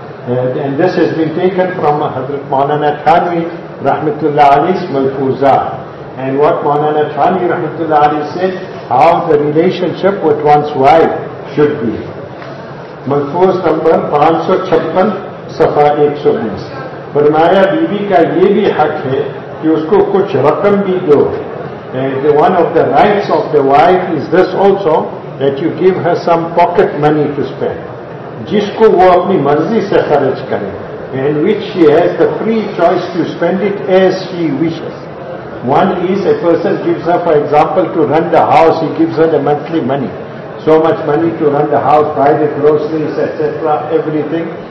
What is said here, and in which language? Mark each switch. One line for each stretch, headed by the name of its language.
English: And this has been taken from Hazrat Maulana Thani rahmatullahi alayhi's Malfuza. And what Maulana Thani rahmatullahi alayhi said, how the relationship with one's wife should be. Malfuz number 556, صفحہ 120.
Urdu: فرمایا be be کا یہ بھی حق ہے کہ اس کو کچھ رقم بھی دو.
English: And one of the rights of the wife is this also, that you give her some pocket money to spend,
Urdu: جس کو وہ اپنی مرضی سے خرچ کرے.
English: And which she has the free choice to spend it as she wishes. One is a person gives her, for example, to run the house, he gives her the monthly money, so much money to run the house, buy the groceries, etc., everything.